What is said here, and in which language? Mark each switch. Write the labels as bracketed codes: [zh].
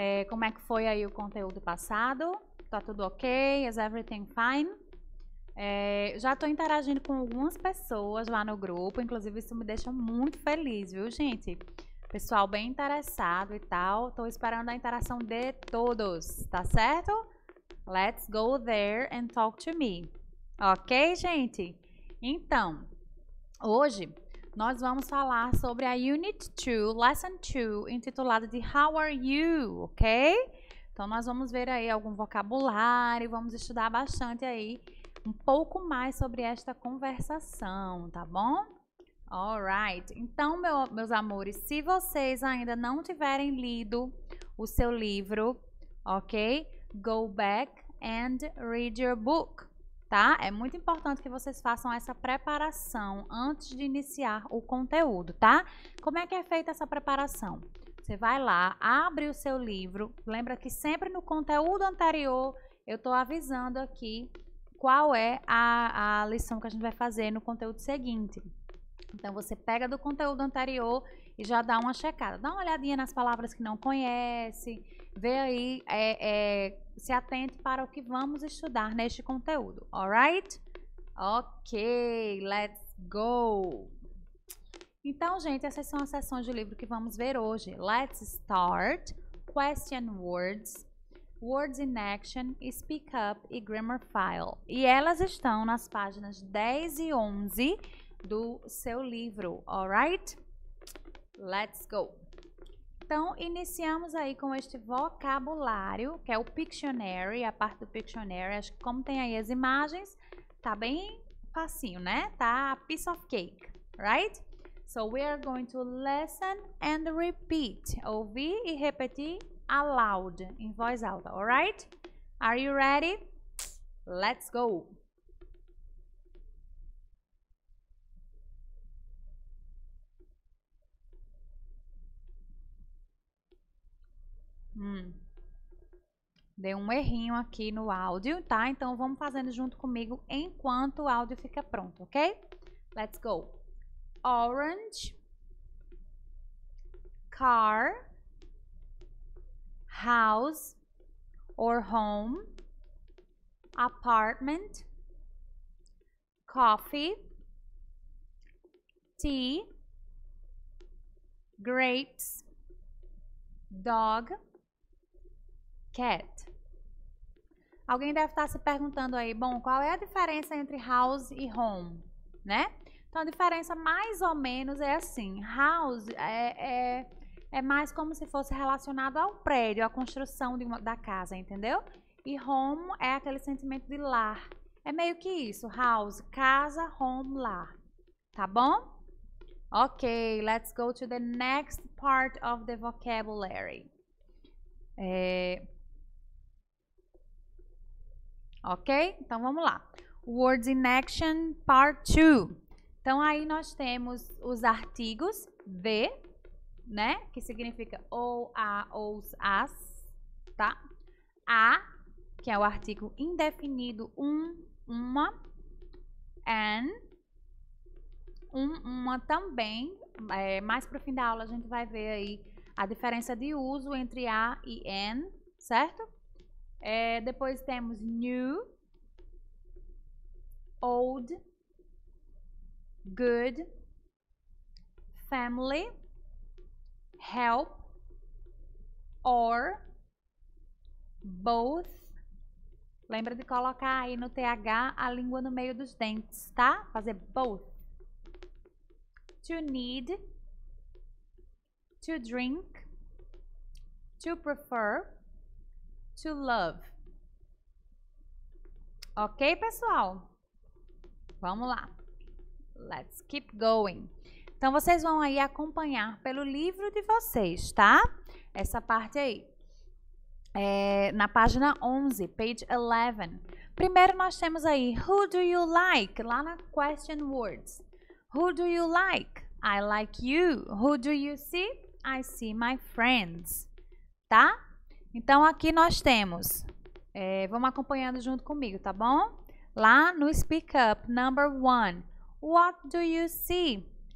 [pt] Como é que foi aí o conteúdo passado? Tá tudo ok? [en] Is everything fine? [pt] Já tô interagindo com algumas pessoas lá no grupo, inclusive isso me deixa muito feliz, viu, gente? Pessoal bem interessado e tal. Tô esperando a interação de todos, tá certo? [en] Let's go there and talk to me. [pt] Ok, gente? Então, hoje nós vamos falar sobre a Unit 2, Lesson 2, intitulada de How Are You, ok? Então, nós vamos ver aí algum vocabulário, vamos estudar bastante aí, um pouco mais sobre esta conversação, tá bom? Alright, então, meus amores, se vocês ainda não tiverem lido o seu livro, ok? [en] Go back and read your book. [pt] Tá? É muito importante que vocês façam essa preparação antes de iniciar o conteúdo, tá? Como é que é feita essa preparação? Você vai lá, abre o seu livro. Lembra que sempre no conteúdo anterior eu estou avisando aqui qual é a lição que a gente vai fazer no conteúdo seguinte. Então você pega do conteúdo anterior e já dá uma checada. Dá uma olhadinha nas palavras que não conhece. Vê aí, se atente para o que vamos estudar neste conteúdo, alright? [en] Ok, let's go! [pt] Então, gente, essas são as sessões de livro que vamos ver hoje. [en] Let's start. Question words, words in action, speak up e grammar file. [pt] E elas estão nas páginas 10 e 11 do seu livro, alright? [en] Let's go! [pt] Então, iniciamos aí com este vocabulário, que é o Pictionary, a parte do Pictionary. Acho que como tem aí as imagens, tá bem facinho, né? [en] Tá piece of cake, right? So, we are going to listen and repeat. [pt] Ouvir e repetir aloud, em voz alta, alright? [en] Are you ready? Let's go! [pt] Deu um errinho aqui no áudio, tá? Então vamos fazendo junto comigo enquanto o áudio fica pronto, ok? [en] Let's go. Orange, car, house or home, apartment, coffee, tea, grapes, dog. Cat. [pt] Alguém deve estar se perguntando aí, bom, qual é a diferença entre house e home, né? Então, a diferença mais ou menos é assim: house é mais como se fosse relacionado ao prédio, à construção da casa, entendeu? E home é aquele sentimento de lar. É meio que isso: house, casa, home, lar. Tá bom? [en] Ok, let's go to the next part of the vocabulary. [pt] Ok? Então vamos lá. Words in action, part 2. Então aí nós temos os artigos the, né? Que significa ou, a, ou, as, tá? A, que é o artigo indefinido, uma. And, uma também. Mais pro fim da aula a gente vai ver aí a diferença de uso entre a e an, certo? [en] Depois temos new, old, good, family, help, or, both. [pt] Lembra de colocar aí no TH a língua no meio dos dentes, tá? Fazer both. [en] To need, to drink, to prefer, to love. [pt] Ok, pessoal? Vamos lá. [en] Let's keep going. [pt] Então, vocês vão aí acompanhar pelo livro de vocês, tá? Essa parte aí. Na página 11, page 11. Primeiro, nós temos aí, [en] who do you like? [pt] Lá na question words. [en] Who do you like? I like you. Who do you see? I see my friends. Tá? [pt] Então, aqui nós temos. Vamos acompanhando junto comigo, tá bom? [en] Lá no Speak Up, number one. What do you see?